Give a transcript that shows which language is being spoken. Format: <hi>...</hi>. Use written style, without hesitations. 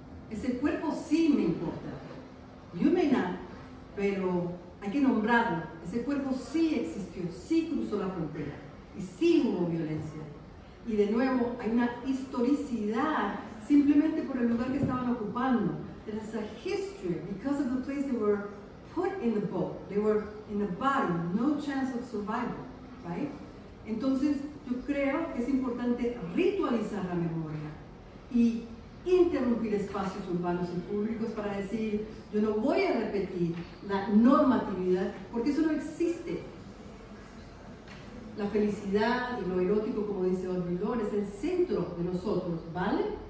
<es>Ese cuerpo sí me importa.</es> <en>You may not,</en> <es>pero hay que nombrarlo. Ese cuerpo sí existió, sí cruzó la frontera y sí hubo violencia. Y de nuevo, hay una historicidad simplemente por el lugar que estaban ocupando.</es> <en>There is a history because of the place they were put in the boat. They were in the bottom, no chance of survival, right?</en> <es>Entonces, yo creo que es importante ritualizar la memoria y interrumpir espacios urbanos y públicos para decir, yo no voy a repetir la normatividad porque eso no existe. La felicidad y lo erótico, como dice Audre Lorde, es el centro de nosotros, ¿vale?</es>